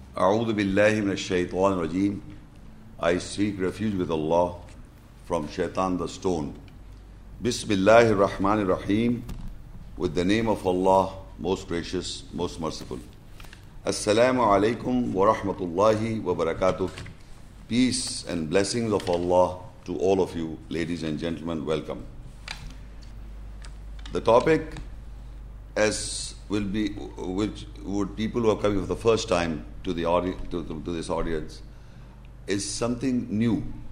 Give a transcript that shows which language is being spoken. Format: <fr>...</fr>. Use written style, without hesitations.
<ar>أعوذ بالله من الشيطان الرجيم.</ar> <en>I seek refuge with Allah from Shaitan the stone.</en> <ar>بسم الله الرحمن الرحيم.</ar> <en>With the name of Allah, most gracious, most merciful.</en> <ar>السلام عليكم ورحمة الله وبركاته.</ar> <en>Peace and blessings of Allah to all of you, ladies and gentlemen, welcome. The topic, as will be, which would people who are coming for the first time to the to this audience, is something new.</en>